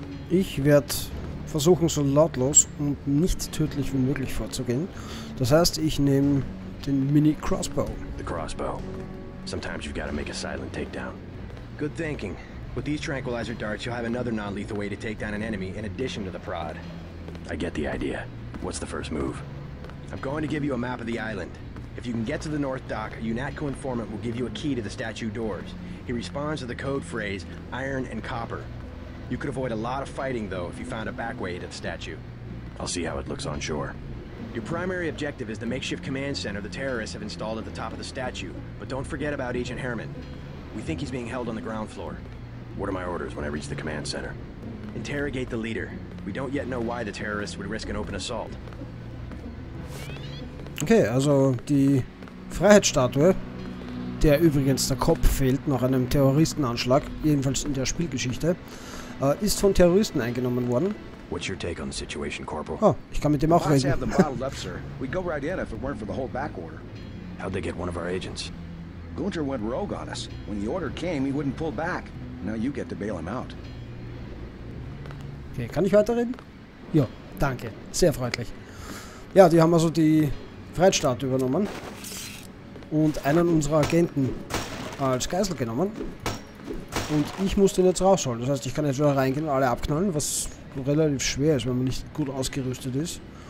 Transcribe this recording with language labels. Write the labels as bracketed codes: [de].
[de] Ich werde versuchen, so lautlos und nicht tödlich wie möglich vorzugehen. Das heißt, ich nehme den mini crossbow. [en] The crossbow. Sometimes you've got to make a silent takedown. Good thinking. With these tranquilizer darts, you'll have another non-lethal way to take down an enemy in addition to the prod. I get the idea. What's the first move? I'm going to give you a map of the island. If you can get to the North Dock, a UNATCO informant will give you a key to the statue doors. He responds to the code phrase, iron and copper. You could avoid a lot of fighting, though, if you found a back way to the statue. I'll see how it looks on shore. Your primary objective is the makeshift command center the terrorists have installed at the top of the statue. But don't forget about Agent Herrmann. We think he's being held on the ground floor. What are my orders when I reach the command center? Interrogate the leader. We don't yet know why the terrorists would risk an open assault. [de] Okay, also die Freiheitsstatue, der übrigens der Kopf fehlt nach einem Terroristenanschlag, jedenfalls in der Spielgeschichte, ist von Terroristen eingenommen worden. [en] What's your take on the situation, Corporal? [de] Oh, ich kann mit dem auch reden. [en] The boss had them bottled up, sir. We'd go right in if it weren't for the whole back order. How'd they get one of our agents? Gunter went rogue on us. When the order came, he wouldn't pull back. Now you get to bail him out. [de] Okay, kann ich weiterreden? Ja, danke. Sehr freundlich. Ja, die haben also die Freiheitsstatue übernommen und einen unserer Agenten als Geisel genommen. Und ich muss den jetzt rausholen. Das heißt, ich kann jetzt wieder reingehen und alle abknallen, was relativ schwer ist, wenn man nicht gut ausgerüstet ist.